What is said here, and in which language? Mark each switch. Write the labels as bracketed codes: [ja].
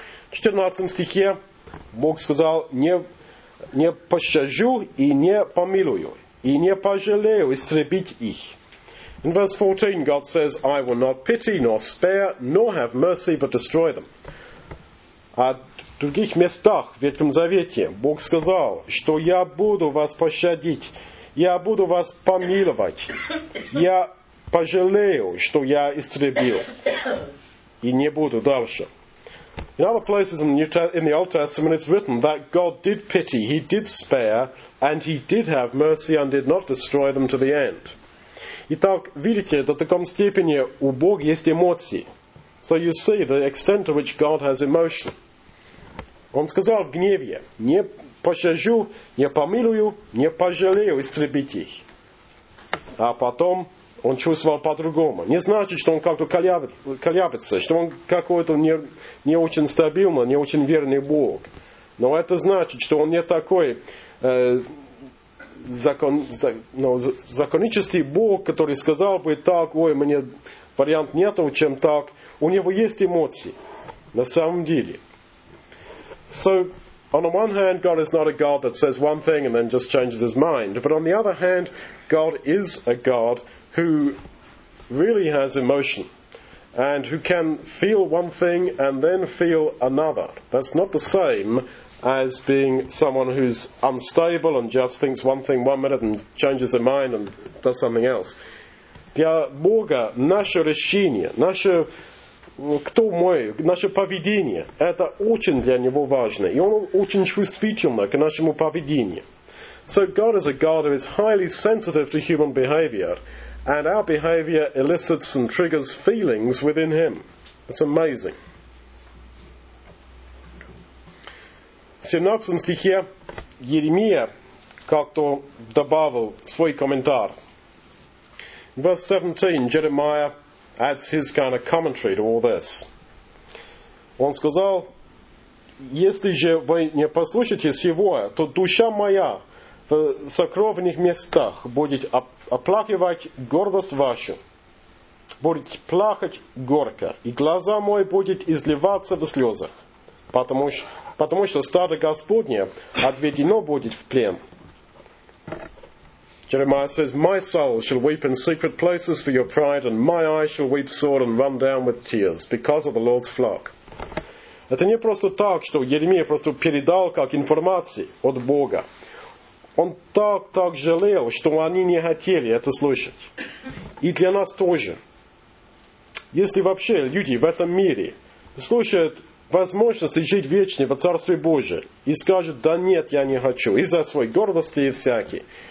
[ru] В 14 стихе Бог сказал: не пощажу и не помилую, и не пожалею истребить их. [en] In verse 14, God says, I will not pity, nor spare, nor have mercy, but destroy them. [ru] А в других местах в Ветхом Завете Бог сказал, что я буду вас пощадить, я буду вас помиловать, я пожалею, что я истребил, и не буду дальше. [en] In other places in the Old Testament, it's written that God did pity, he did spare, and he did have mercy, and did not destroy them to the end. [ru] Итак, видите, до таком степени у Бога есть эмоции. [en] So you see the extent to which God has emotion. [ru] Он сказал в гневе, не пощажу, не помилую, не пожалею истребить их. А потом он чувствовал по-другому. Не значит, что он как-то колеблется, что он какой-то не очень стабильный, не очень верный Бог. Но это значит, что он не такой законический Бог, который сказал бы так, ой, мне вариант нету, чем так. У него есть эмоции, на самом деле. [en] So, on the one hand, God is not a God that says one thing and then just changes his mind. But on the other hand, God is a God who really has emotion and who can feel one thing and then feel another. That's not the same as being someone who's unstable and just thinks one thing one minute and changes their mind and does something else. [ru] Для Бога наше решение, наше кто мой, наше поведение, это очень для него важно. И он очень чувствительный к нашему поведению. [en] So God is a God who is highly sensitive to human behavior, and our behavior elicits and triggers feelings within him. It's amazing. [ru] В 17 стихе Еремия как-то добавил свой комментарий. [en] In verse 17, Jeremiah adds his kind of commentary to all this. [ru] Он сказал, если же вы не послушаете сего, то душа моя в сокровенных местах будет оплакивать гордость вашу, будет плакать горько, и глаза мои будут изливаться в слезах, потому что стадо Господне отведено будет в плен. [en] Jeremiah says, my soul shall weep in secret places for your pride, and my eyes shall weep sore and run down with tears because of the Lord's flock. [ru] Это не просто так, что Еремия просто передал как информации от Бога. Он так жалел, что они не хотели это слышать. И для нас тоже. Если вообще люди в этом мире слушают возможности жить вечно во Царстве Божьем и скажут, да нет, я не хочу, из-за своей гордости и всякой.